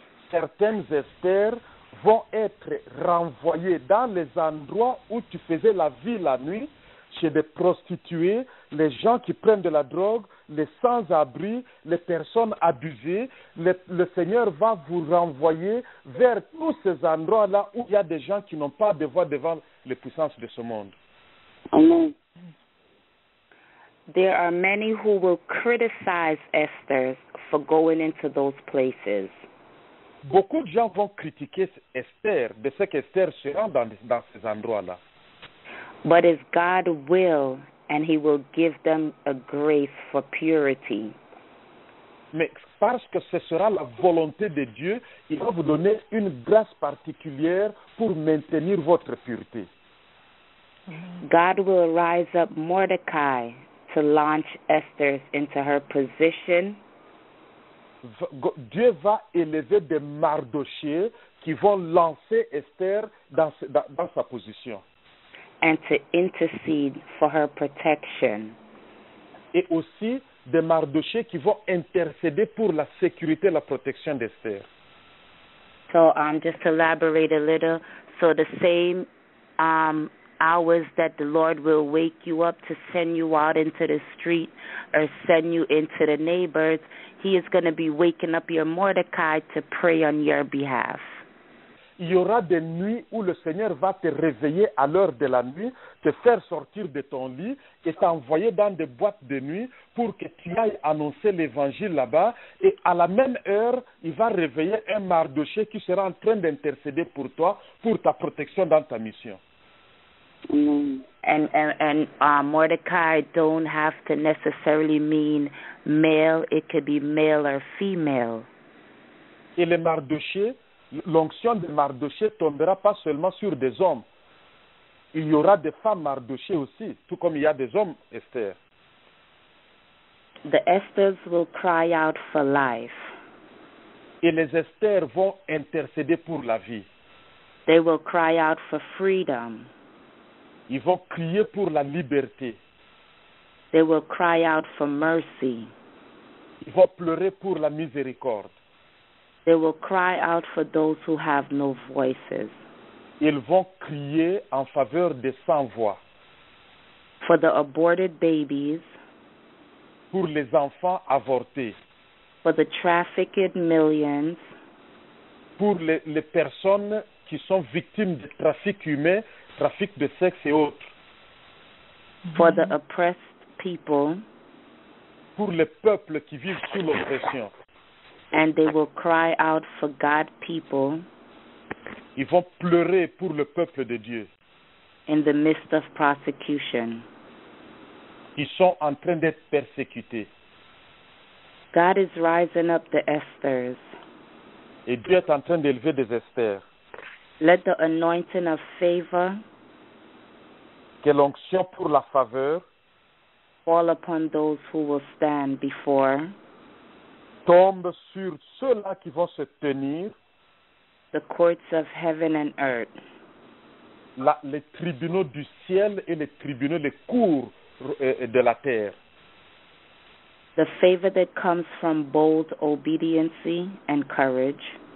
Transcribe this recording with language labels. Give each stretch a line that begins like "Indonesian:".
French: Certaines Esthers vont être renvoyées dans les endroits où tu faisais la vie la nuit, chez des prostituées, les gens qui prennent de la drogue, les sans-abri, les personnes abusées, le Seigneur va vous renvoyer vers tous ces endroits-là où il y a des gens qui n'ont pas de voix devant les puissances de ce monde. Amen.
English: There are many who will criticize Esther for going into those places.
French: Beaucoup de gens vont critiquer Esther de ce qu'Esther se rend dans ces endroits-là.
English: But it's God will, and he will give them a grace for purity.
French: Mais parce que ce sera la volonté de Dieu, il va vous donner une grâce particulière pour maintenir votre pureté.
English: God will raise up Mordecai to launch Esther into her position.
French: Dieu va élever des Mardochée qui vont lancer Esther dans sa position.
English: And to intercede for her protection.
French: Et aussi des Mardochée qui vont intercéder pour la sécurité et la protection d'Esther.
English: So, just to elaborate a little. So, the same hours that the Lord will wake you up to send you out into the street or send you into the neighbors, he is going to be waking up your Mordecai to pray on your behalf.
French: Il y aura des nuits où le Seigneur va te réveiller à l'heure de la nuit, te faire sortir de ton lit et t'envoyer dans des boîtes de nuit pour que tu ailles annoncer l'évangile là-bas. Et à la même heure, il va réveiller un Mardochée qui sera en train d'intercéder pour toi, pour ta protection dans ta mission.
English: And Mordecai don't have to necessarily mean male. It could be male or female.
French: Et le Mardoché, l'onction de Mardoché tombera pas seulement sur des hommes. Il y aura des femmes Mardoché aussi, tout comme il y a des hommes Esther.
English: The Esthers will cry out for life.
French: Et les Esthers vont intercéder pour la vie.
English: They will cry out for freedom.
French: Ils vont crier pour la liberté.
English: They will cry out for mercy.
French: Ils vont pleurer pour la miséricorde.
English: They will cry out for those who have no voices.
French: Ils vont crier en faveur des sans-voix.
English: For the aborted babies.
French: Pour les enfants avortés.
English: For the trafficked millions.
French: Pour les personnes qui sont victimes de trafic humain, trafic de sexe et autres.
English: For the oppressed people.
French: Pour les peuples qui vivent sous l'oppression.
English: And they will cry out for God people.
French: Ils vont pleurer pour le peuple de Dieu.
English: In the midst of persecution.
French: Ils sont en train d'être persécutés.
English: God is rising up the Esthers.
French: Et Dieu est en train d'élever des Esthers.
English: Let the anointing of favor.
French: Que l'onction pour la faveur.
English: Fall upon those who will stand before.
French: Tombe sur ceux-là qui vont se tenir.
English: The courts of heaven and earth.
French: Les tribunaux du ciel et les tribunaux, les cours de la terre.
English: The favor that comes from bold obedience and courage.